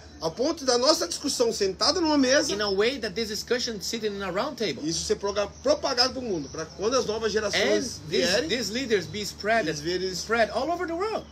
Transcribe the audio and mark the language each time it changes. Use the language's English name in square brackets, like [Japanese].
[Portuguese] Ao ponto da nossa discussão sentada numa mesa. [English] In a way that this discussion sitting in a round table. [Portuguese] Isso ser propagado para o mundo, para quando as novas gerações vierem. [English] These leaders be spread all over the world.